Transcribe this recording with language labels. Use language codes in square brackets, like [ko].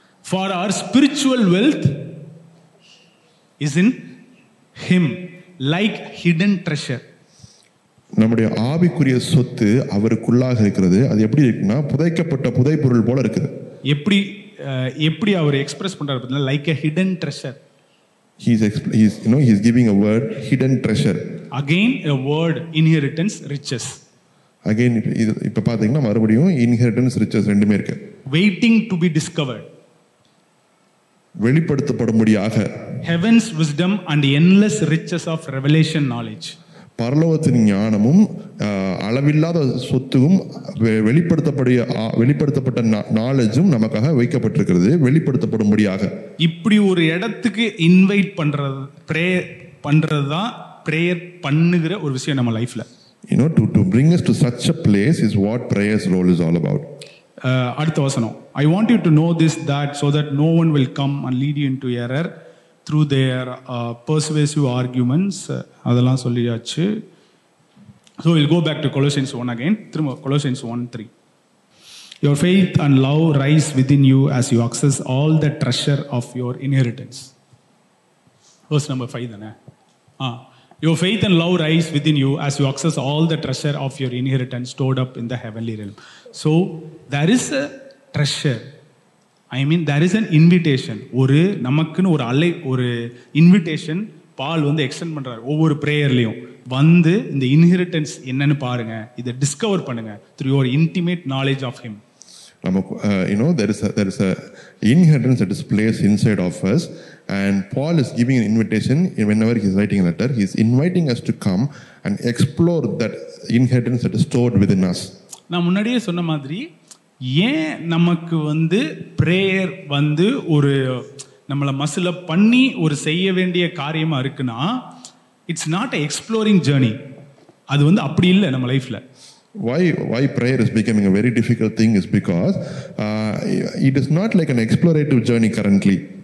[en] For our spiritual wealth is in him, like hidden treasure. [ta] நம்முடைய ஆவிக்குரிய சொத்து அவருக்குள்ளாக இருக்கிறது. அது எப்படி இருக்குன்னா, புதைக்கப்பட்ட புதைப்பொருள் போல இருக்குது. எப்படி எப்படி அவர் எக்ஸ்பிரஸ் பண்றாரு பார்த்தீங்களா, [en] like a hidden treasure. He is giving a word, hidden treasure. Again a word, inheritance, riches. [ta] Again இப்ப பாத்தீங்கன்னா மறுபடியும் inheritance, riches ரெண்டுமே இருக்கு. [en] Waiting to be discovered. [ta] வெளிப்படுத்தப்படும்படியாக. [en] Heaven's wisdom and endless riches of revelation knowledge. [ta] பரலோகத்தின் ஞானமும் அளவில்லாத சொத்தும் வெளிப்படுத்தப்பட்ட knowledge-உம் நமக்காக வைக்கப்பட்டிருக்கிறது வெளிப்படுத்தப்படும்படியாக. இப்படி ஒரு இடத்துக்கு இன்வைட் பண்றது prayer பண்றதுதான் prayer பண்ணுகிற ஒரு விஷயம் நம்ம லைஃப்ல. [en] You know, to bring us to such a place is what prayer's role is all about. [ta] அடுத்த வசனம், [en] I want you to know this, that so that no one will come and lead you into error through their persuasive arguments. [ta] அதெல்லாம் சொல்லியாச்சு. [en] So we'll go back to Colossians 1 again. Colossians 1:3. Your faith and love rise within you as you access all the treasure of your inheritance. Verse number 5 தானே? Your faith and love rise within you as you access all the treasure of your inheritance stored up in the heavenly realm. So there is a treasure. I mean, there is an invitation. [ta] ஒரு நமக்குன்னு ஒரு அலை ஒரு invitation பால் வந்து extend பண்ணுறாரு. ஒவ்வொரு ப்ரேயர்லையும் வந்து இந்த இன்ஹெரிட்டன்ஸ் என்னன்னு பாருங்க, இதை டிஸ்கவர் பண்ணுங்க [en] Through your intimate knowledge of him. நமக்கு you know there is a inheritance that is place inside of us and Paul is giving an invitation whenever he is writing a letter he is inviting us to come and explore that inheritance that is stored within us. [ta] நான் முன்னாடியே சொன்ன மாதிரி, ஏன் நமக்கு வந்து prayer வந்து ஒரு நம்மளை மசில பண்ணி ஒரு செய்ய வேண்டிய காரியமாக இருக்குன்னா, [en] It's not a exploring journey. [ta] அது வந்து அப்படி இல்லை நம்ம லைஃப்பில். [en] Why prayer is becoming a very difficult thing is because it is not like an explorative journey currently.